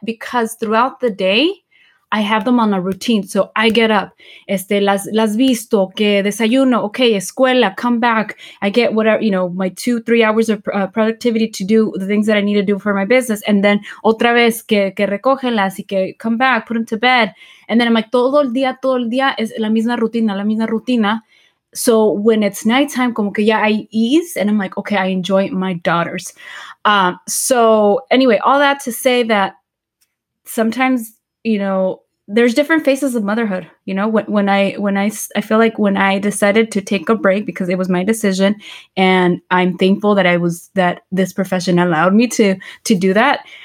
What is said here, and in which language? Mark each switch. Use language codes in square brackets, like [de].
[en] Because throughout the day, I have them on a routine. So I get up, [es] las visto, que desayuno, [en] okay, escuela, come back. I get whatever, you know, my 2-3 hours of productivity to do the things that I need to do for my business. And then [es] otra vez, que recogelas y que [en] come back, put them to bed. And then I'm like, [es] todo el día es la misma rutina. [en] So when it's nighttime, [es] como que ya [en] I ease and I'm like, okay, I enjoy my daughters. So anyway, all that to say that sometimes, you know, there's different phases of motherhood. You know, when I feel like when I decided to take a break because it was my decision and I'm thankful that I was, that this profession allowed me to do that.